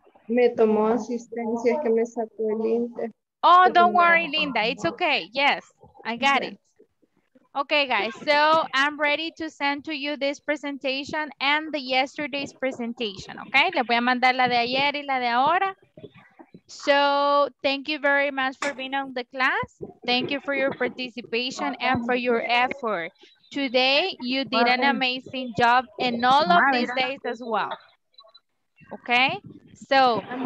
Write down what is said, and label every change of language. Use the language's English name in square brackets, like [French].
[Spanish] Me tomó asistencia que me sacó el internet. [English] Oh, don't worry, Linda. It's okay. Yes, I got it. Okay, guys, so I'm ready to send to you this presentation and the yesterday's presentation, okay? [Spanish] Le voy a mandar la de ayer y la de ahora. [English] So thank you very much for being on the class. Thank you for your participation and for your effort. Today, you did an amazing job in all of these days as well. Okay, so.